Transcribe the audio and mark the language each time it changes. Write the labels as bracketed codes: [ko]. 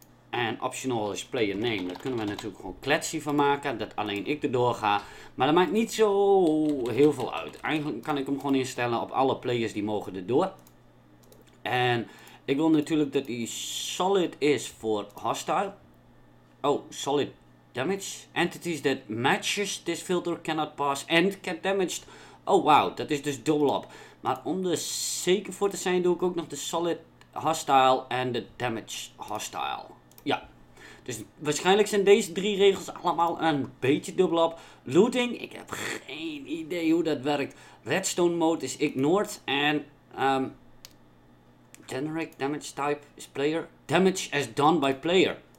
[nl] En [en] optional is player name. [nl] Daar kunnen we natuurlijk gewoon kletsie van maken. Dat alleen ik erdoor ga. Maar dat maakt niet zo heel veel uit. Eigenlijk kan ik hem gewoon instellen op alle players die mogen erdoor. En ik wil natuurlijk dat die solid is voor hostile. [en] Oh, solid damage. Entities that matches this filter cannot pass and get damaged. [nl] Oh wow, dat is dus dubbel op. Maar om er zeker voor te zijn, doe ik ook nog de solid hostile en de damage hostile. Ja, dus waarschijnlijk zijn deze 3 regels allemaal een beetje dubbel op. Looting, ik heb geen idee hoe dat werkt. [en] Redstone mode is ignored. [nl] En generic damage type is player. [en] Damage as done by player.